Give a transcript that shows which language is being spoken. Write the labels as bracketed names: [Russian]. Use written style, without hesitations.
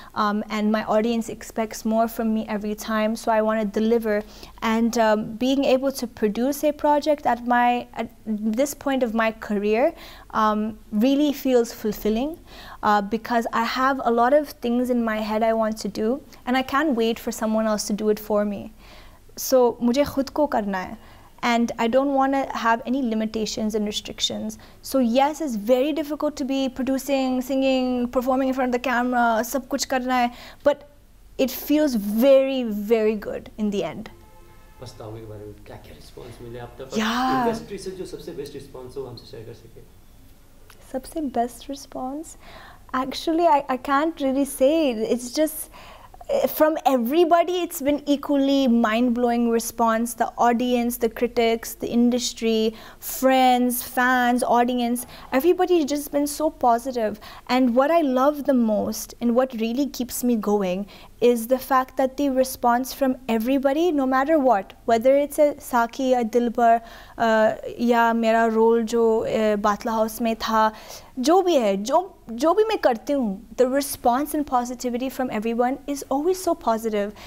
[English] And my audience expects more from me every time, so I want to deliver. And being able to produce a project at this point of my career really feels fulfilling because I have a lot of things in my head I want to do, and I can't wait for someone else to do it for me. [Hindi] सो मुझे खुद को करना है. [English] And I don't want to have any limitations and restrictions. So yes, it's very difficult to be producing, singing, performing in front of the camera, [Hindi] सब कुछ करना है, [English] but it feels very, very good in the end. [Hindi] Pastavon ke bare mein kya kya response mile aap tak? Industry se jo sabse best response ho humse share kar sake. सबसे best response? [English] Actually, I can't really say. It's just from everybody, it's been equally mind-blowing response. The audience, the critics, the industry, friends, fans, audience, everybody's just been so positive. And what I love the most and what really keeps me going is the fact that the response from everybody, no matter what, whether it's a Saki, a Dilbar, [Hindi] या मेरा role जो बाटला house में था, जो भी है, जो भी मैं करती हुन, [English] the response and positivity from everyone is always so positive.